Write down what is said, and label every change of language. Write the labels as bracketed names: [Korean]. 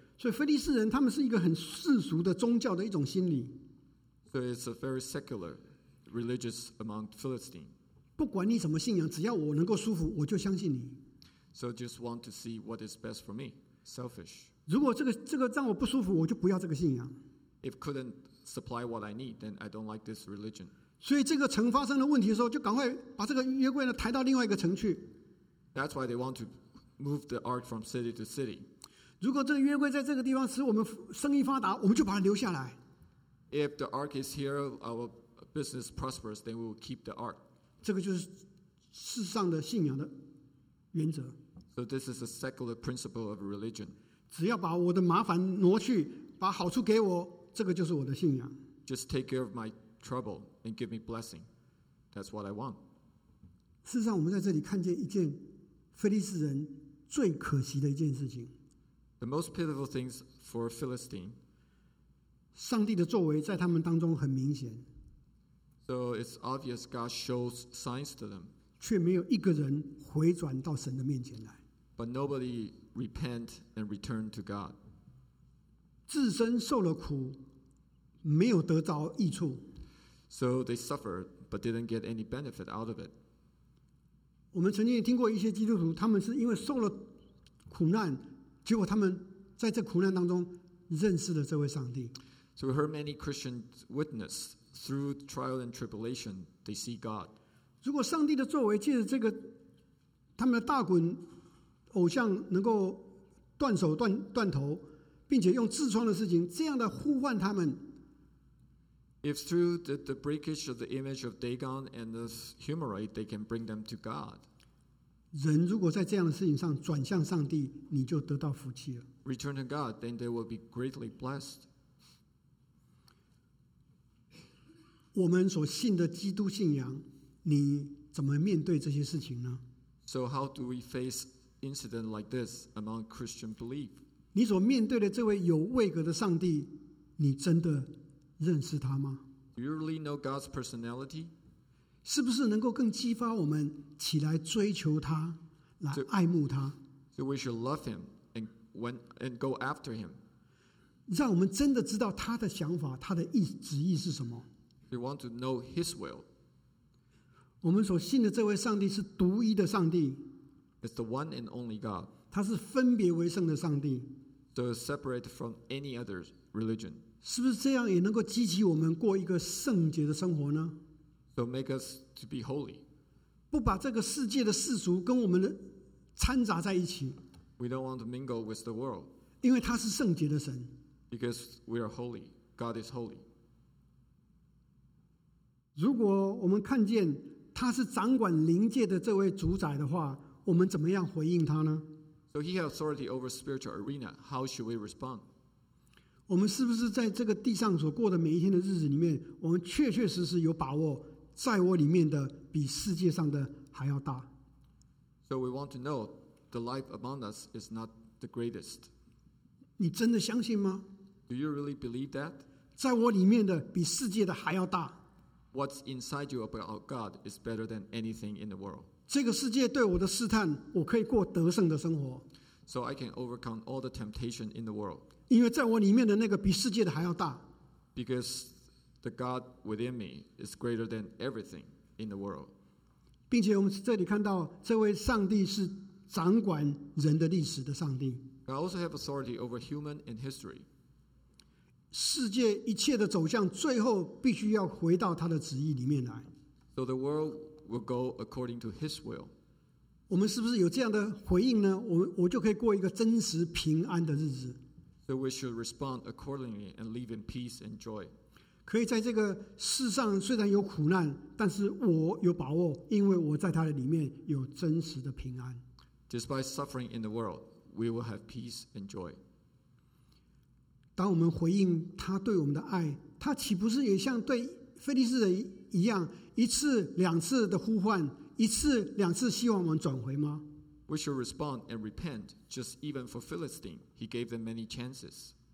[Chinese] 所以腓力斯人他们是一个很世俗的宗教的一种心理。 [English] So it's a very secular religious among Philistines. [Chinese] 不管你什么信仰，只要我能够舒服，我就相信你。 [English] So just want to see what is best for me. Selfish. [Chinese] 如果这个让我不舒服，我就不要这个信仰。 [English] If couldn't supply what I need, then I don't like this religion. [Chinese] 所以这个城发生了问题的时候，就赶快把这个约柜呢抬到另外一个城去。 [English] That's why they want to move the ark from city to city. [Chinese] 如果这个约柜在这个地方使我们生意发达，我们就把它留下来。 [English] If the ark is here, our business prospers, then we will keep the ark. [Chinese] 这个就是世上的信仰的原则。 [English] So this is a secular principle of religion. [Chinese] 只要把我的麻烦挪去，把好处给我，这个就是我的信仰。 [English] Just take care of my trouble and give me blessing. That's what I want. [Chinese] 事实上，我们在这里看见一件腓力斯人最可惜的一件事情。 [English] The most pitiful things for Philistine. [Chinese] 上帝的作为在他们当中很明显。 [English] So it's obvious God shows signs to them. [Chinese] 却没有一个人回转到神的面前来。 [English] But nobody repent and return to God. [Chinese] 自身受了苦，没有得着益处。 [English] So they suffered but didn't get any benefit out of it. [Chinese] 我们曾经听过一些基督徒，他们是因为受了苦难。结果他们在这苦难当中认识了这位上帝。 [English] So we heard many Christians witness through trial and tribulation, they see God. [Chinese] 如果上帝的作为借着这个他们的大滚偶像能够断手 断头，并且用痔疮的事情这样的呼唤他们。 [English] If through the breakage of the image of Dagon and the hemorrhoid, they can bring them to God. [Chinese] 人如果在这样的事情上转向上帝，你就得到福气了。 [English] Return to God, then they will be greatly blessed. [Chinese] 我们所信的基督信仰，你怎么面对这些事情呢？ [English] So how do we face incident like this among Christian belief? [Chinese] 你所面对的这位有位格的上帝，你真的认识他吗？ [English] Do you really know God's personality? [Chinese] 是不是能够更激发我们起来追求他，来爱慕他 [English] ？So we should love him and go after him. [Chinese] 让我们真的知道他的想法，他的旨意是什么 [English] ？We want to know his will. [Chinese] 我们所信的这位上帝是独一的上帝 [English] ，It's the one and only God. [Chinese] 他是分别为圣的上帝 [English] ，So separate from any other religion. [Chinese] 是不是这样也能够激起我们过一个圣洁的生活呢？ [English] So make us to be holy. [Chinese] 不把这个世界的世俗跟我们的掺杂在一起。 [English] We don't want to mingle with the world. [Chinese] 因为他是圣洁的神。 [English] Because we are holy. God is holy. [Chinese] 如果我们看见他他是掌管灵界的这位主宰的话，我们怎么样回应他呢？ [English] So he has authority over spiritual arena. How should we respond? [Chinese] 我们是不是在这个地上所过的每一天的日子里面，我们确确实实有把握，在我里面的比世界上的还要大？ [English] So we want to know the life among us is not the greatest. [Chinese] 你真的相信吗？ [English] Do you really believe that? [Chinese] 在我里面的比世界的还要大。 [English] What's inside you about God is better than anything in the world. [Chinese] 这个世界对我的试探，我可以过得胜的生活。 [English] So I can overcome all the temptation in the world. [Chinese] 因为在我里面的那个比世界的还要大。 [English] Because the God within me is greater than everything in the world. [Chinese] 并且我们这里看到，这位上帝是掌管人的历史的上帝。 [English] I also have authority over human and history. [Chinese] 世界一切的走向最后必须要回到他的旨意里面来。 [English] So the world will go according to his will. [Chinese] 我们是不是有这样的回应呢？我就可以过一个真实平安的日子。 [English] So we should respond accordingly and live in peace and joy. [Chinese] 可以在这个世上虽然有苦难，但是我有把握，因为我在他的里面有真实的平安。 [English] Despite suffering in the world, we will have peace and joy. [Chinese] 当我们回应他对我们的爱，他岂不是也像对腓力斯人一样，一次两次的呼唤，一次两次希望我们转回吗？ [English] We should respond and repent, just even for Philistine, he gave them many chances.